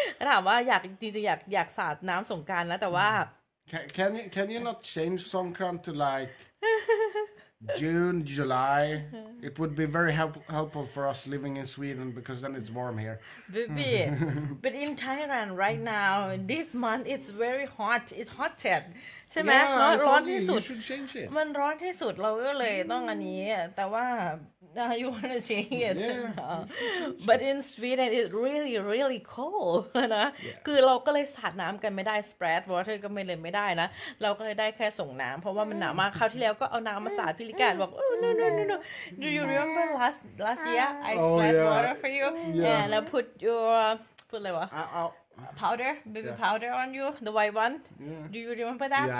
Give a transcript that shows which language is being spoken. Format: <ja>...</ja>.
<th>ถามว่าอยากจริงๆอยากสาดน้ำสงกรานต์แล้วแต่ว่า</th> <en>Can you not change Songkran to like June, July? It would be very helpful for us living in Sweden because then it's warm here. But in Thailand right now, this month it's very hot. It's hotted.</en> <th>ใช่ไหม ร้อนที่สุด มันร้อนที่สุดเราก็เลยต้องอันนี้แต่ว่า</th> <en>you wanna change it but in Sweden it's really really cold</en> <th>นะคือเราก็เลยสาดน้ำกันไม่ได้</th> <en>spread water</en> <th>ก็ไม่เลยไม่ได้นะเราก็เลยได้แค่ส่งน้ำเพราะว่ามันหนาวมากคราวที่แล้วก็เอาน้ำมาสาดพี่ลิแกนบอก</th> <en>no do you remember last year I spread water for you and I put your put</en> <th>อะไรวะ</th> <en>powder baby powder on you the white one do you remember that</en>